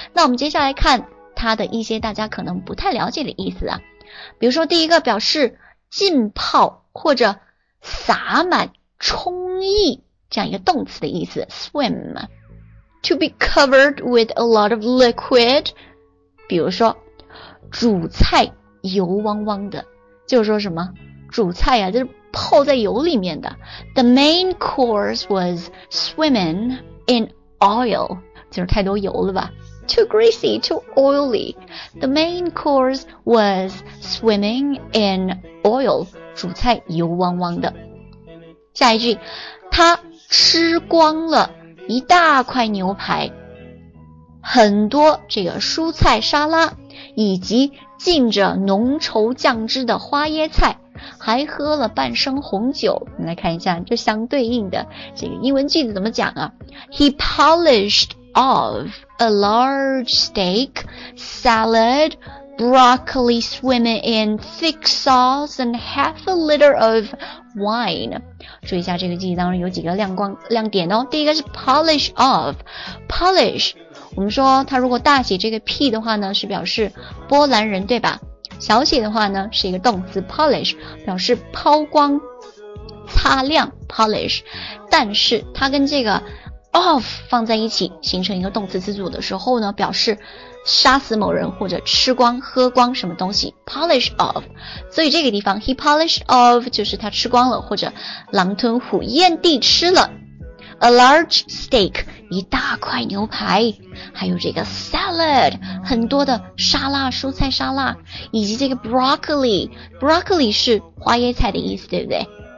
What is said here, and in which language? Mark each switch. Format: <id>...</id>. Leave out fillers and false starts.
<zh>那我们接下来看它的一些大家可能不太了解的意思啊，比如说第一个表示浸泡或者洒满充溢这样一个动词的意思</zh> <en>swimTo be covered with a lot of liquid，</en> <zh>比如说煮菜油汪汪的，就是说什么煮菜啊，就是泡在油里面的。</zh> <en>The main course was swimming in oil，</en> <zh>就是太多油了吧。</zh> <en>too greasy, too oily. The main course was swimming in oil.</en> <zh>主菜油汪汪的。下一句，他吃光了一大块牛排，很多这个蔬菜沙拉，以及浸着浓稠酱汁的花椰菜。还喝了半升红酒，我们来看一下这相对应的这个英文句子怎么讲啊。</zh> <en>He polished off a large steak, salad, broccoli swimming in thick sauce and half a liter of wine.</en> <zh>注意一下这个句子当中有几个亮点哦。第一个是 polish off, polish, 我们说它如果大写这个 P 的话呢是表示波兰人对吧，小写的话呢是一个动词 polish, 表示抛光擦亮 polish, 但是它跟这个 off 放在一起形成一个动词词组的时候呢表示杀死某人或者吃光喝光什么东西 polish off, 所以这个地方</zh> <en>he polished off</en> <zh>就是他吃光了或者狼吞虎咽地吃了</zh> <en>a large steak,</en> <zh>一大块牛排，还有这个 salad, 很多的沙拉，蔬菜沙拉，以及这个 broccoli, broccoli 是花椰菜的意思，对不对？</zh>